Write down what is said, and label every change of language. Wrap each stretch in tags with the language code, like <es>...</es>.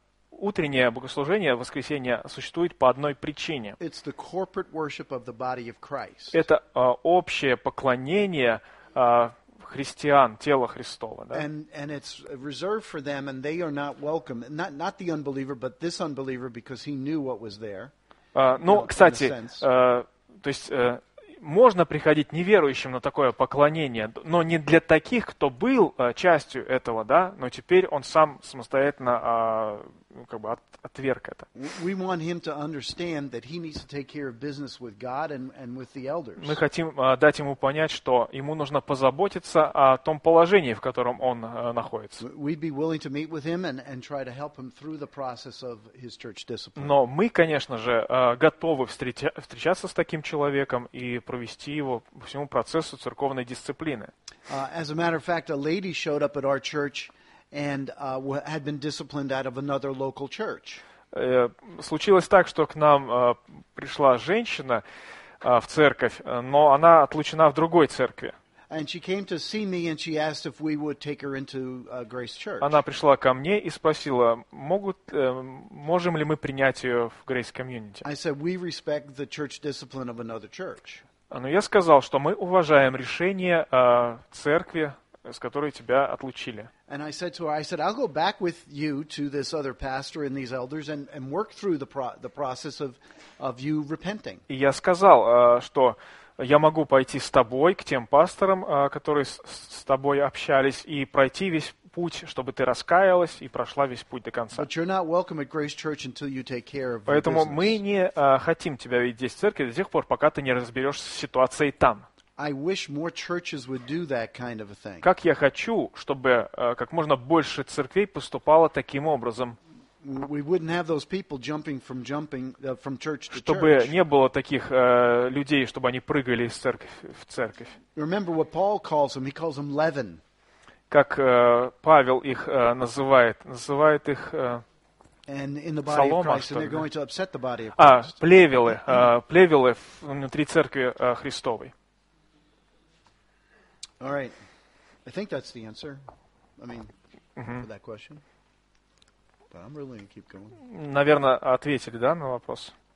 <ru>Утреннее богослужение, воскресенье, существует по одной причине.</ru> <en>It's the corporate worship of the body of Christ.</en> <ru>Это общее поклонение христиан, тела Христова, да?</ru> <en>And it's reserved for them and they are not welcome. Not the unbeliever, but this unbeliever because he knew what was there.</en> <ru>Ну, кстати, то есть можно приходить неверующим на такое поклонение, но не для таких, кто был частью этого, да, но теперь он сам самостоятельно как бы отверг это.</ru> <en>We want him to understand that he needs to take care of business with God and with the elders.</en> <ru>Мы хотим дать ему понять, что ему нужно позаботиться о том положении, в котором он находится.</ru> <en>We'd be willing to meet with him and try to help him through the process of his church discipline.</en> <ru>Но мы, конечно же, готовы встречаться с таким человеком и провести его по всему процессу церковной дисциплины.</ru> <en>As a matter of fact, a lady showed up at our church and had been disciplined out of another local church.</en> <ru>Случилось так, что к нам пришла женщина в церковь, но она отлучена в другой церкви.</ru> <en>And she came to see me and she asked if we would take her into Grace Church.</en> <ru>Она пришла ко мне и спросила, можем ли мы принять ее в Grace Community.</ru> <en>I said, we respect the church discipline of another church.</en> <ru>Но я сказал, что мы уважаем решение церкви, с которой тебя отлучили.</ru> <en>And I said to her, I said, I'll go back with you to this other pastor and these elders and work through the process of you repenting.</en> <ru>И я сказал, что я могу пойти с тобой к тем пасторам, которые с тобой общались, и пройти весь путь, чтобы ты раскаялась и прошла весь путь до конца.</ru> <en>But you're not welcome at Grace Church until you take care of.</en> <ru>Поэтому мы не хотим тебя видеть здесь в церкви до тех пор, пока ты не разберешься с ситуацией там.</ru> <en>I wish more churches would do that kind of a thing.</en> <ru>Как я хочу, чтобы как можно больше церквей поступало таким образом.</ru> <en>We wouldn't have those people jumping from church to church.</en> <ru>Чтобы не было таких людей, чтобы они прыгали из церкви в церковь.</ru> <en>Remember what Paul calls them? He calls them leaven.</en> <ru>Как Павел их называет их</ru> <en>And in the body</en> <ru>Солома,</ru> <en>of Christ, and they're going to upset the body of Christ.</en> <ru>А плевелы внутри церкви Христовой.</ru> <en>All right. I think that's the answer. I mean, for that question. But I'm really going to keep going.</en> <ru>Наверное, ответили, да, на вопрос?</ru>